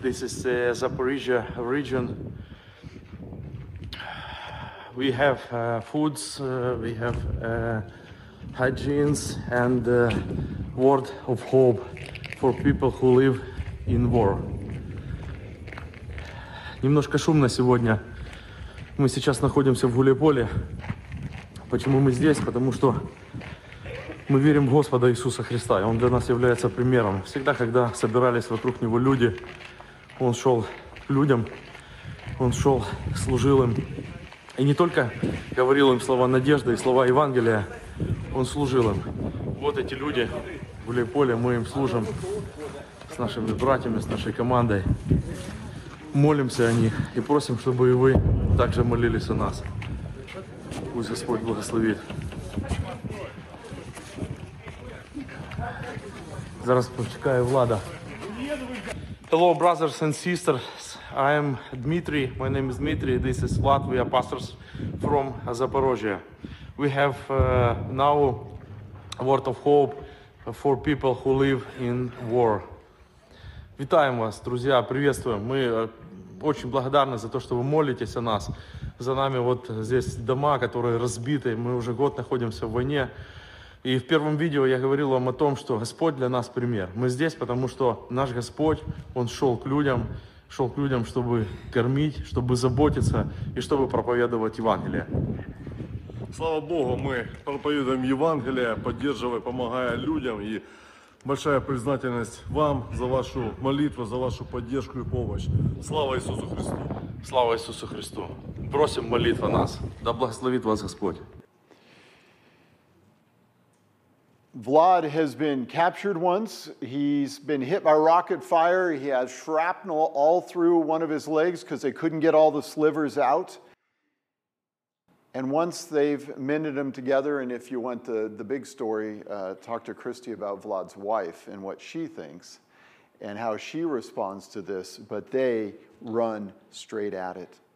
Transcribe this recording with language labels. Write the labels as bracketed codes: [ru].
[en] This is the Zaporizhia region. We have foods, we have hygiene and word of hope for people who live in war. [ru] Немножко шумно сегодня. Мы сейчас находимся в Гуляйполе. Почему мы здесь? Потому что мы верим в Господа Иисуса Христа, и Он для нас является примером. Всегда, когда собирались вокруг Него люди, Он шел к людям, Он шел, служил им. И не только говорил им слова надежды и слова Евангелия, Он служил им. Вот эти люди в Гуляйполе, мы им служим с нашими братьями, с нашей командой. Молимся о них и просим, чтобы и вы также молились о нас. Пусть Господь благословит. [uk] Зараз почекаю Влада. [en] Hello, brothers and sisters. I am Dmitry. My name is Dmitry. This is Vlad. We are pastors from Zaporozhye. We have now a word of hope for people who live in war. [uk] Витаем вас, [ru] друзья. Приветствуем. Мы очень благодарны за то, что вы молитесь о нас. За нами вот здесь дома, которые разбиты. Мы уже год находимся в войне. И в первом видео я говорил вам о том, что Господь для нас пример. Мы здесь, потому что наш Господь, Он шел к людям, чтобы кормить, чтобы заботиться и чтобы проповедовать Евангелие. Слава Богу, мы проповедуем Евангелие, поддерживая, помогая людям. И большая признательность вам за вашу молитву, за вашу поддержку и помощь. Слава Иисусу Христу! Слава Иисусу Христу! Просим молитва нас. Да благословит вас Господь! [en] Vlad has been captured once. He's been hit by rocket fire. He has shrapnel all through one of his legs because they couldn't get all the slivers out. And once they've mended him together, and if you want the big story, talk to Christy about Vlad's wife and what she thinks and how she responds to this, but they run straight at it.